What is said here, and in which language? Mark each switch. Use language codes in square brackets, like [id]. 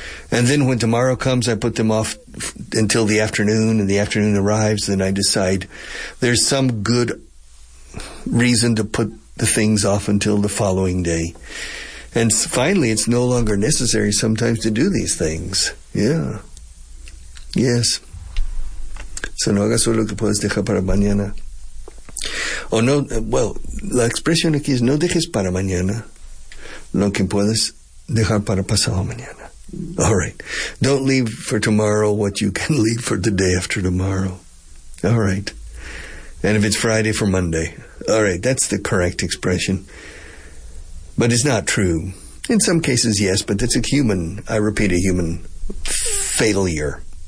[en] And then when tomorrow comes, I put them off until the afternoon, and the afternoon arrives, then I decide there's some good reason to put the things off until the following day. And finally, it's no longer necessary sometimes to do these things. Yeah. Yes. [es] So no hagas lo que puedes dejar para mañana. [en] Oh, no, well, [es] la expresión aquí es no dejes para mañana lo que puedes dejar para pasado mañana. [en] All right. Don't leave for tomorrow what you can leave for the day after tomorrow. All right. And if it's Friday for Monday. All right, that's the correct expression. But it's not true. In some cases, yes, but that's a human failure.